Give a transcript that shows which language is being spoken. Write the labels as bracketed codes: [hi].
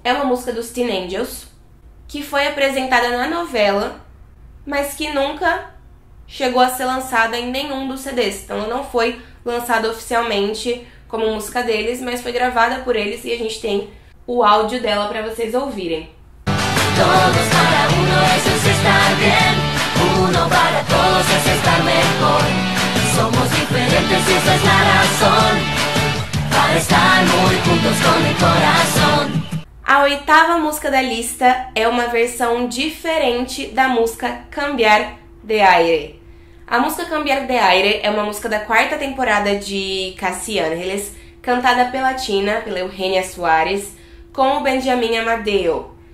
[pt] É uma música dos Teen Angels, que foi apresentada na novela, mas que nunca chegou a ser lançada em nenhum dos CDs. Então ela não foi lançada oficialmente como música deles, mas foi gravada por eles e a gente tem o áudio dela para vocês ouvirem. [es] Todos para Uno, eso es estar bien. Uno para todos es estar mejor. Somos diferentes y esa es la razón para estar muy juntos con el corazón. [pt] A oitava música da lista é uma versão diferente da música Cambiar de Aire. A música Cambiar de Aire é uma música da quarta temporada de Casi Ángeles, cantada pela Tina, pela Eugenia Suárez, com o Benjamin Amadeo.